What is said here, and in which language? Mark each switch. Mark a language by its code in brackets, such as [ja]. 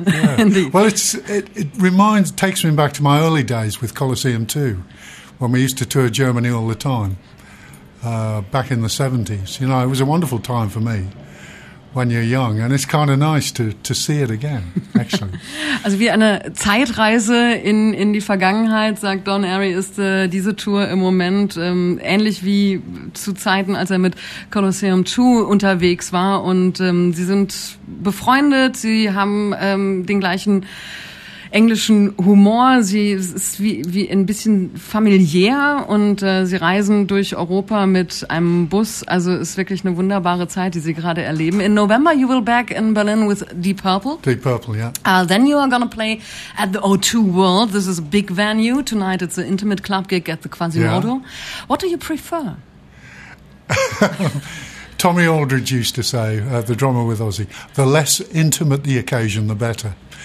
[en] Well, it takes me back to my early days with Coliseum 2, when we used to tour Germany all the time, back in the 70s. You know, it was a wonderful time for me, when you're young, and it's kind of nice to see it again, actually. [de] Also wie eine Zeitreise in die Vergangenheit, sagt Don Airey, ist diese Tour im Moment ähnlich wie zu Zeiten, als er mit Colosseum 2 unterwegs war. Und sie sind befreundet, sie haben den gleichen englischen Humor, sie ist wie ein bisschen familiär und sie reisen durch Europa mit einem Bus, also ist wirklich eine wunderbare Zeit, die sie gerade erleben. [en] In November you will back in Berlin with Deep Purple. Deep Purple, yeah. Then you are gonna play at the O2 World. This is a big venue. Tonight it's an intimate club gig at the Quasimodo. Yeah. What do you prefer? Tommy Aldridge used to say, the drummer with Ozzy, the less intimate the occasion, the better.